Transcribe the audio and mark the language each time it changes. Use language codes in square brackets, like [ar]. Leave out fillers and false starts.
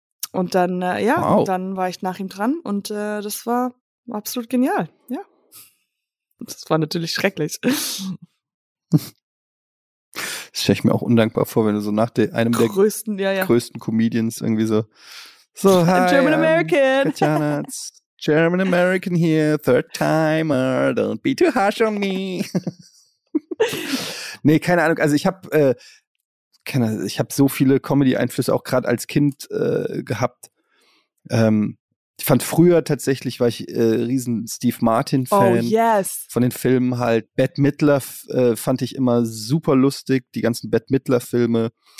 [de] Und dann, Und dann war ich nach ihm dran und das war absolut genial, ja. Das war natürlich schrecklich. Das stelle ich mir auch undankbar vor, wenn du so nach einem größten, der größten Comedians irgendwie so hi, [en] German American. Tatjana, it's German American here, third timer, don't be too harsh on me. [de] Nee, keine Ahnung, also ich habe so viele Comedy-Einflüsse auch gerade als Kind gehabt. Ich fand früher tatsächlich, war ich riesen Steve Martin-Fan. [en] Oh, yes. [de] Von den Filmen halt. Bette Midler fand ich immer super lustig. Die ganzen Bette Midler-Filme.